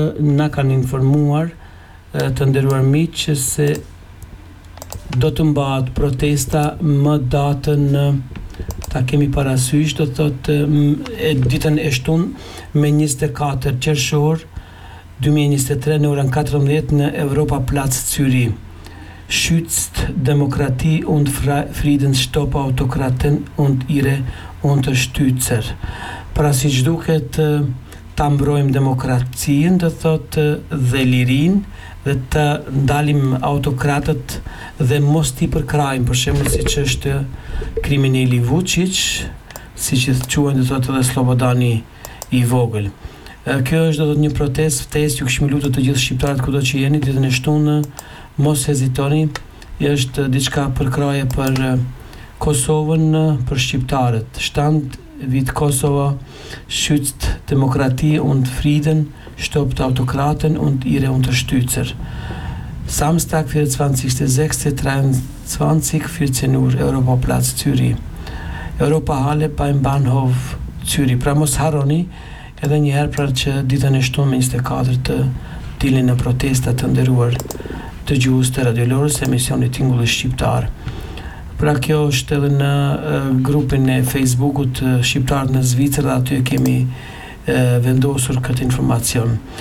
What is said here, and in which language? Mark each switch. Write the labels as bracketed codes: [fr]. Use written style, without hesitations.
[sq] Na kanë informuar të nderuar miq se do të mbahet protesta më datën, ta kemi parasysh, do thotë ditën e shtunë me 24 qershor 2023 në orën 14 në Europa Plac Zyri. [de] Schützt Demokratie und Frieden, stop Autokraten und ihre Unterstützer. [sq] Pra si që duket, ta mbrojmë demokracinë, do thotë, dhe lirinë, dhe të ndalim autokratët dhe mos t'i përkrajmë, për shembull siç është kriminali Vučić, siç e quajnë, do thotë, edhe Slobodani i vogël. Kjo është, do thotë, një protestë, ftesë, ju këshmi lutë të gjithë shqiptarët kudo që jeni, ditën e shtunë, mos hezitoni, është diçka përkraje për Kosovën, për shqiptarët. [en] Shtand vit Kosova, [de] schützt Demokratie und Frieden, stoppt Autokraten und ihre Unterstützer. Samstag, 24.06.23, 14 Uhr, Europaplatz Zürich. Europahalle beim Bahnhof Zürich. [sq] Pra mos haroni, edhe njëherë pra që ditën e shtunë 24 të dilin në protestat të nderuar të gjuhës të radiolorës, emisionit Tingulli Shqiptar. Pra kjo është edhe në grupin e Facebookut Shqiptarët në Zvicër, dhe aty kemi vendosur këtë informacion.